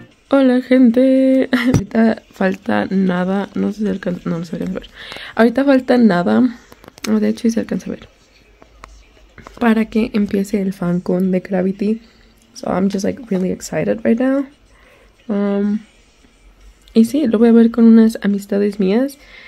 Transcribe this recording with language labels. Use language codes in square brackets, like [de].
[es] Hola gente, ahorita falta nada, no sé si alcanza, no se alcanza a ver. Ahorita falta nada, de hecho se alcanza a ver, para que empiece el fancon de Gravity. [en] So I'm just like really excited right now. [es] Y sí, lo voy a ver con unas amistades mías.